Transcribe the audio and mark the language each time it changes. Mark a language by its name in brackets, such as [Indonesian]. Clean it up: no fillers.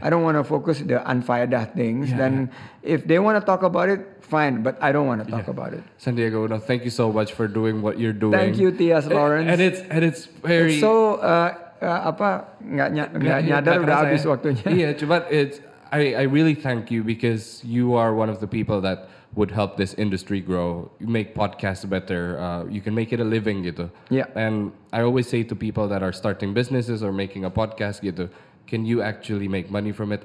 [English] I don't want to focus the unfaedah things. [Indonesian] Dan [English] if they want to talk about it, fine. But I don't want to talk about it. Sandiaga Uno, thank you so much for doing what you're doing. Thank you, Iyas Lawrence. And it's very... It's so... [Indonesian] nyadar udah habis waktunya. [English] Yeah, but it's I really thank you because you are one of the people that would help this industry grow. You make podcasts better. You can make it a living gitu. Yeah. And I always say to people that are starting businesses or making a podcast gitu, can you actually make money from it?